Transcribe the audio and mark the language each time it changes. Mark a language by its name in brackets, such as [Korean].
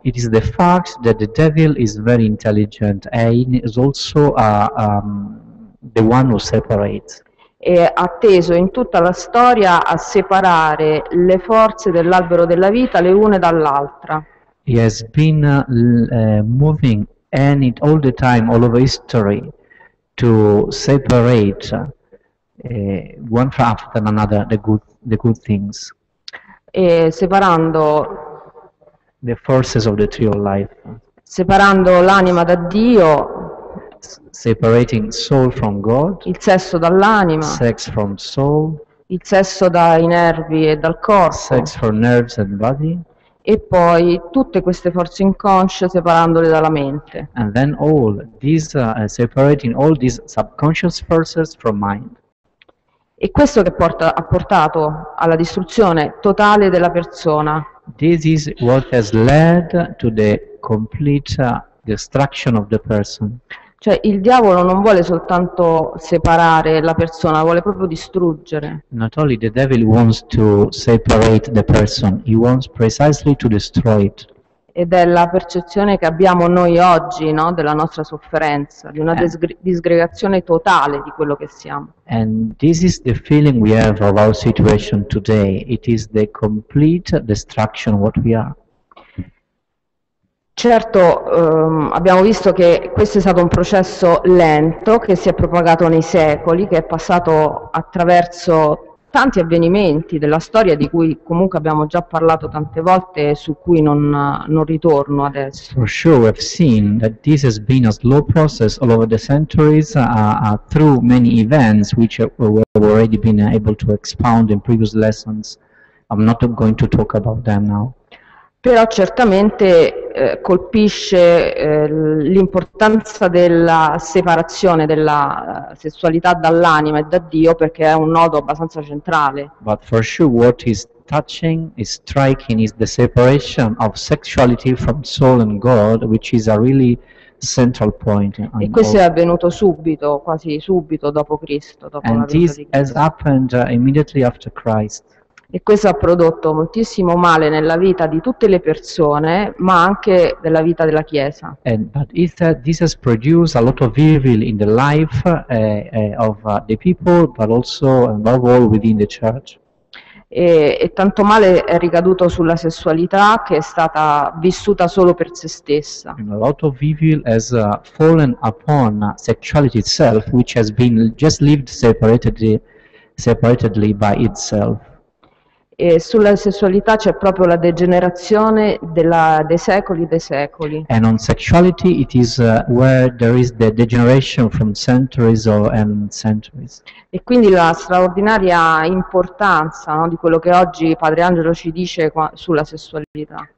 [English] It is the fact that the devil is very intelligent and is also the one who separates. [Italian] ha teso in tutta la storia a separare le forze dell'albero della vita le une dall'altra. [English] He has been moving and it all the time all over history to separate one after another the good things. [Italian] E separando [English] the forces of the tree of life. [Italian] Separando l'anima da Dio. [English] Separating soul from God. [Italian] Il sesso dall'anima. [English] Sex from soul. [Italian] Il sesso dai nervi e dal corpo. [English] Sex from nerves and body. [Italian] E poi tutte queste forze inconsce separandole dalla mente. [English] And then all these separating all these subconscious forces from mind. [Italian] E questo che ha portato alla distruzione totale della persona. [English] This is what has led to the complete destruction of the person. [Italian] Cioè il diavolo non vuole soltanto separare la persona, vuole proprio distruggere. [English] Not only the devil wants to separate the person, he wants precisely to destroy it. [Italian] Ed è la percezione che abbiamo noi oggi, no, della nostra sofferenza, di una disgregazione totale di quello che siamo. [English] And this is the feeling we have of our situation today. It is the complete destruction what we are. [Italian] Certo, abbiamo visto che questo è stato un processo lento che si è propagato nei secoli, che è passato attraverso tanti avvenimenti della storia di cui comunque abbiamo già parlato tante volte e su cui non ritorno adesso. [English] For sure we have seen that this has been a slow process all over the centuries through many events which we have already been able to expound in previous lessons. I'm not going to talk about them now. [Italian] Però certamente colpisce l'importanza della separazione della sessualità dall'anima e da Dio, perché è un nodo abbastanza centrale. [English] But for sure what is touching, is striking, is the separation of sexuality from soul and God, which is a really central point. [Italian] E questo è avvenuto subito, quasi subito dopo Cristo, dopo la venuta di Cristo. [English] And this has happened immediately after Christ. [Italian] E questo ha prodotto moltissimo male nella vita di tutte le persone, ma anche nella vita della Chiesa. [English] This has produced a lot of evil in the life of the people, but also above all within the church. [Italian] E tanto male è ricaduto sulla sessualità che è stata vissuta solo per se stessa. [English] And a lot of evil has fallen upon sexuality itself, which has been just lived separately by itself. [Italian] E sulla sessualità c'è proprio la degenerazione dei secoli dei secoli. [English] And on sexuality it is where there is the degeneration from centuries and centuries. [Italian] E quindi la straordinaria importanza, no, di quello che oggi Padre Angelo ci dice sulla sessualità.